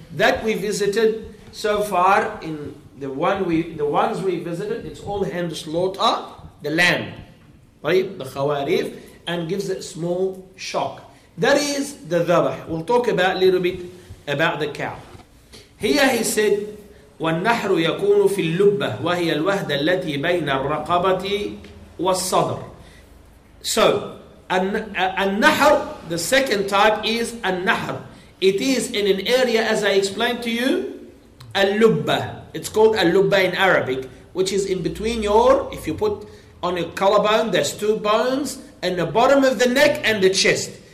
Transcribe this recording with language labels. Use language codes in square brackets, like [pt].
[en] That we visited so far, in the ones we visited, it's all hand slaughter, the lamb, right? The khawarif, and gives it small shock. That is the dhabah. We'll talk about a little bit about the cow. Here he said, [ar] والنحر يكون في اللبة وهي الوهدة التي بين الرقبة والصدر. [en] So, النحر, the second type is النحر. It is in an area, as I explained to you, اللبة. It's called اللبة in Arabic, which is in between your, if you put on your collarbone, there's two bones, and the bottom of the neck and the chest.